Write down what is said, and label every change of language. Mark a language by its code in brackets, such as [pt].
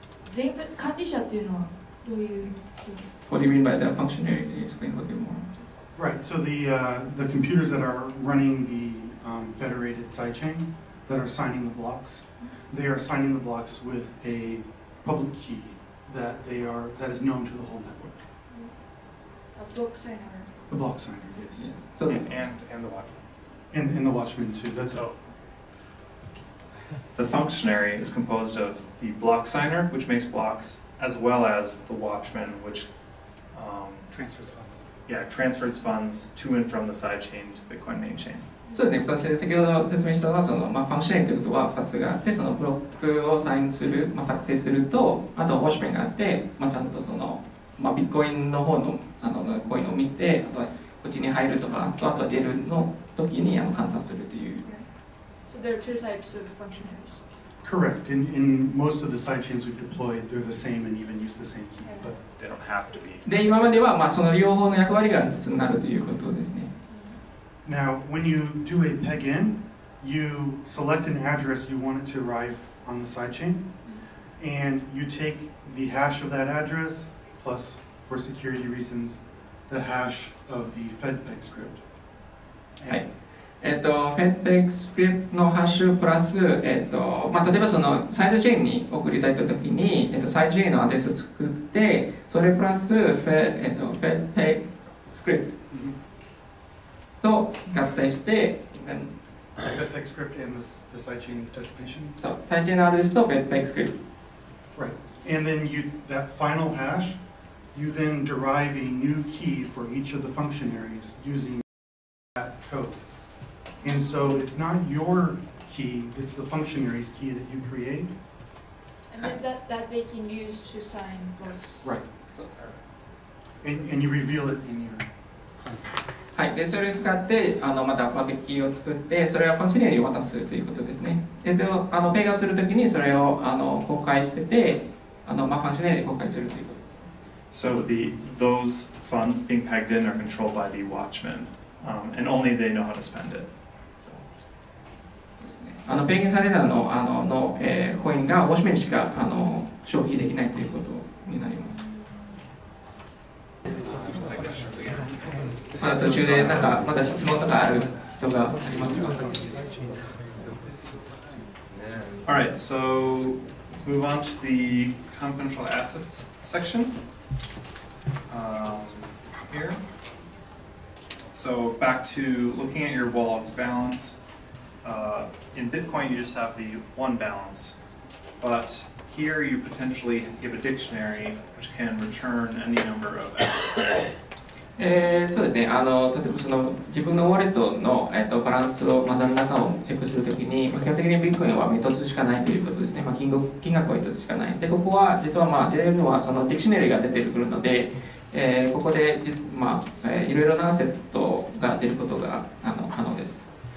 [ja] 全部管理者っていうのはどういう。 [en] What do you mean by that functionary? Can you explain a little bit more? Right, so the computers that are running the federated sidechain that are signing the blocks, they are signing the blocks with a public key that is known to the whole network. A block signer. The block signer, yes. And the watchman. And the watchman too. That's so the functionary is composed of the block signer, which makes blocks, as well as the watchman, which transfers funds. Yeah, transfers funds to and from the sidechain to the Bitcoin main chain. [ja] そうですね。二つで先ほど説明したのはそのまあファンクショナリーということは二つがあって、そのブロックをサインするまあ作成すると、あとウォッシュメンがあって、まあちゃんとそのまあビットコインの方のあのコインを見て、あとはこっちに入るとか、あとは出るの時にあの観察するという。 [en] So there are two types of functionaries. Correct. In most of the sidechains we've deployed, they're the same and even use the same key, but they don't have to be. [ja] で、今までは、まあ、その両方の役割が一つになるということですね。 [en] Now, when you do a peg in, you select an address you want it to arrive on the sidechain, and you take the hash of that address, plus, for security reasons, the hash of the FedPeg script. [ja] はい。 FedPeg スクリプトのハッシュプラス、まあ、例えばそのサイドチェーンに送りたいときに、サイドチェーンのアドレスを作って、それプラス FedPeg スクリプトと合体して、 [en] FedPeg スクリプト and the sidechain destination? [ja] そう、サイドチェーンのアドレスと FedPeg スクリプト。 [en] Right. And then you, that final hash, you then derive a new key for each of the functionaries using that code. And so it's not your key, it's the functionary's key that you create. And that they can use to sign plus. Right. So. And you reveal it in your. [ja] はい。で、それを使って、あのまたパブリックキーを作って、それをファンクショナリーに渡すということですね。で、あのペイがするときにそれをあの公開してて、あのまあファンクショナリーに公開するということです。 [en] So those funds being pegged in are controlled by the watchman, and only they know how to spend it. [ja] あのペインされたのあのの、コインがウォッシュメンしかあの消費できないということになります。まだ途中でなんかまだ質問とかある人がありますか。 [en] All right, so let's move on to the comp control assets section. Here. So back to looking at your wallet's balance. In Bitcoin, you just have the one balance, but here you potentially give a dictionary which can return any number of assets. [ja] そうですね。あの例えばその自分のウォレットのバランスをまあ残高をチェックするときに、まあ、基本的にBitcoinは一つしかないということですね。まあ、金額は一つしかない。でここは実はまあ出てるのはそのディクショナリーが出てくるので、ここでまあいろいろなアセットが出ることがあの可能です。